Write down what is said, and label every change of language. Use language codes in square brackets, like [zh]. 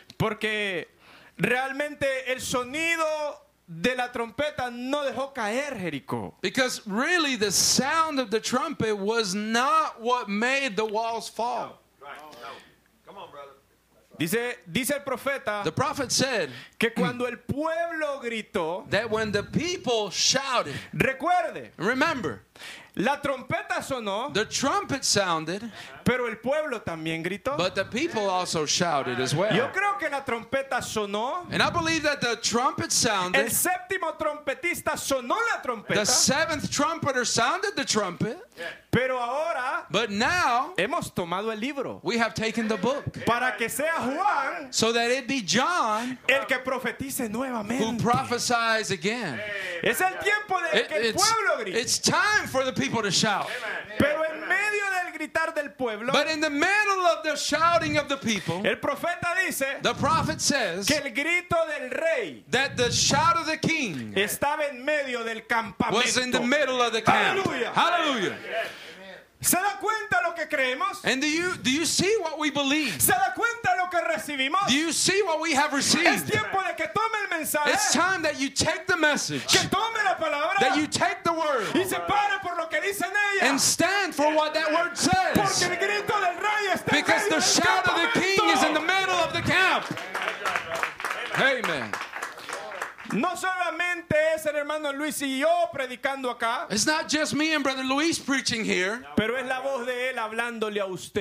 [es] Porque realmente el sonido de la trompeta no dejó caer Jericó. [en] Because really the sound of the trumpet was not what made the walls fall. [es] Dice el profeta. [en] The prophet said [es] que cuando el pueblo gritó. [en] That when the people shouted. [es] Recuerde. [en] Remember. [es] La trompeta sonó. [en] The trumpet sounded. [es] Pero el pueblo también gritó. [en] But the people also shouted as well. [es] Yo creo que la trompeta sonó. [en] And I believe that the trumpet sounded. [es] El séptimo trompetista sonó la trompeta. [en] The seventh trumpeter sounded the trumpet. [es] Pero ahora. [en] But now. [es] Hemos tomado el libro. [en] We have taken the book. [es] Para que sea Juan. [en] So that it be John. [es] El que profetice nuevamente. [en] Who prophesies again. [es] Es el tiempo de que el pueblo grite. [en] It's time for the people to shout. [es] Pero en medio del gritar del pueblo, [en] but in the middle of the shouting of the people, [es] el profeta dice, [en] the prophet says [es] que el grito del rey, [en] that the shout of the king [es] estaba en medio del campamento, [en] was in the middle of the camp. Hallelujah. Hallelujah. [es] ¿Se da cuenta lo que creemos? [en] And do you see what we believe? [es] ¿Se da cuenta lo que recibimos? [en] Do you see what we have received? [es] Es tiempo de que tome el mensaje. [en] It's time that you take the message. [es] Que tome la palabra. [en] That you take the word. [es] Y se pare por lo que dice en ella. [en] And stand for what that word says. [es] Porque el grito del rey está [en] because the shout of the king is in the middle of the camp. Amen. [es] No solamente es el hermano Luis y yo predicando acá. [en] It's not just me and Brother Luis preaching here. [es] Pero es la voz de él hablándole a usted.